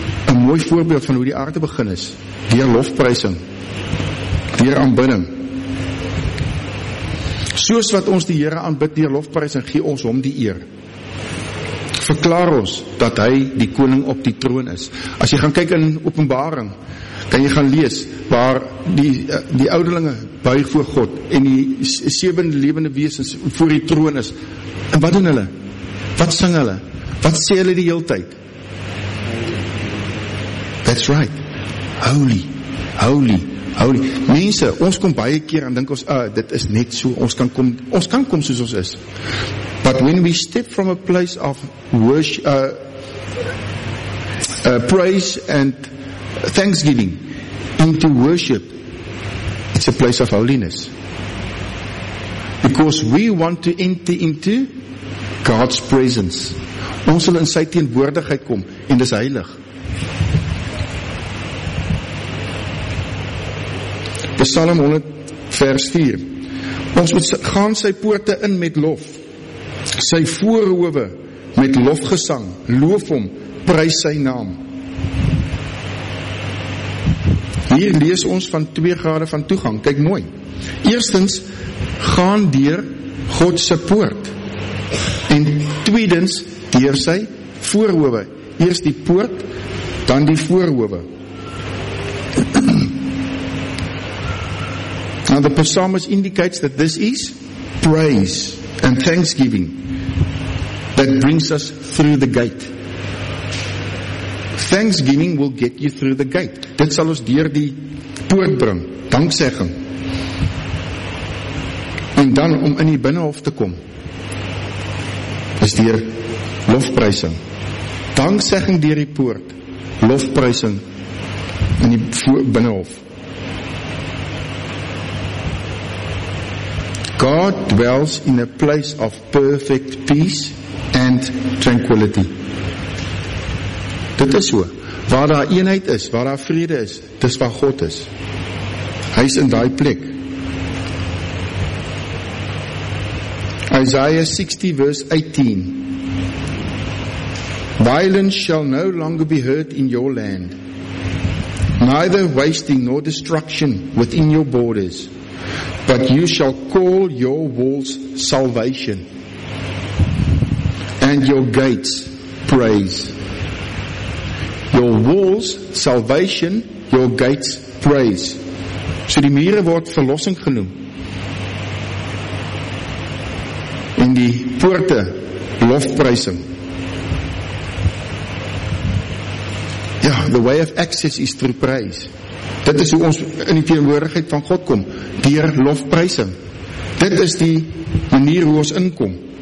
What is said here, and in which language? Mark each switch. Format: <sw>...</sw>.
<af>Een mooi voorbeeld van hoe die aarde begin is. Deur lofprysing. Deur aanbidding. Soos wat ons die Here aanbid deur lofprysing, gee ons hom die eer. Verklaar ons dat hy die koning op die troon is. As jy gaan kyk in Openbaring, kan jy gaan lees waar die ouderlinge buig voor God en die sewe lewende wesens voor die troon is. En wat doen hulle? Wat sing hulle? Wat sê hulle die hele tyd?</af> <en>That's right. Holy, holy, holy.</en> <af>Mense, ons kom baie keer en dink ons, dit is net so, ons kan kom soos ons is.</af> <en>But when we step from a place of worship, praise and thanksgiving into worship, it's a place of holiness. Because we want to enter into God's presence.</en> <af>Ons wil in sy teenwoordigheid kom en dis heilig. Psalm 100 vers 4. Ons moet gaan sy poorte in met lof, sy voorhoewe met lofgesang, loof hom, prys sy naam. Hier lees ons van twee grade van toegang, kyk mooi. Eerstens, gaan deur Godse poort, en tweedens, deur sy voorhoewe. Eerst die poort, dan die voorhoewe.</af> <en>Now the psalmist indicates that this is praise and thanksgiving that brings us through the gate. Thanksgiving will get you through the gate.</en> <af>Dit sal ons deur die poort bring, danksegging. En dan om in die binnenhof te kom, is deur lofprysing. Danksegging deur die poort, lofprysing in die binnenhof.</af> <en>God dwells in a place of perfect peace and tranquility.</en> <af>Dit is so. Waar daar eenheid is, waar daar vrede is, dis waar God is. Hy is in daai plek.</af> <en>Isaiah 60 verse 18. Violence shall no longer be heard in your land. Neither wasting nor destruction within your borders. But you shall call your walls salvation and your gates praise. Your walls salvation, your gates praise.</en> <af>So die mure word verlossing genoem. En die poorte lofprysing.</af> <en>Ja, the way of access is through praise.</en> <af>Dit is hoe ons in die teenwoordigheid van God kom, deur lofprysing. Dit is die manier hoe ons inkom.</af>